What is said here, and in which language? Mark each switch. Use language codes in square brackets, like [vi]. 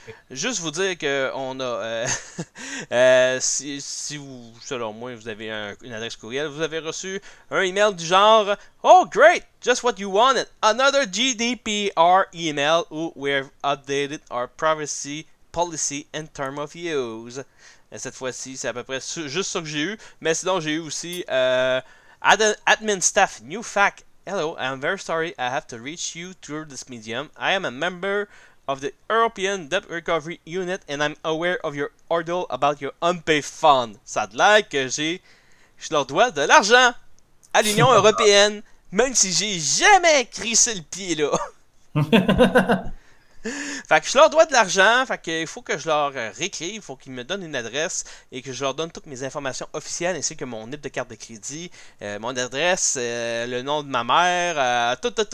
[fr] Juste vous dire que on a si vous, selon moi, vous avez une adresse courriel, vous avez reçu un email du genre [en] Oh great, just what you wanted, another GDPR email [fr] où [en] we've updated our privacy policy in term of use. [fr] Et cette fois-ci, c'est à peu près juste ça que j'ai eu, mais sinon j'ai eu aussi [en] admin staff new fac. Hello, I'm very sorry, I have to reach you through this medium. I am a member of the European Debt Recovery Unit and I'm aware of your ordeal about your unpaid fund. [fr] Ça a l'air que je leur dois de l'argent à l'Union Européenne, même si j'ai jamais crissé le pied là. Fait que je leur dois de l'argent, fait qu'il faut que je leur réécrive, il faut qu'ils me donnent une adresse et que je leur donne toutes mes informations officielles ainsi que mon NIP de carte de crédit, mon adresse, le nom de ma mère, tout.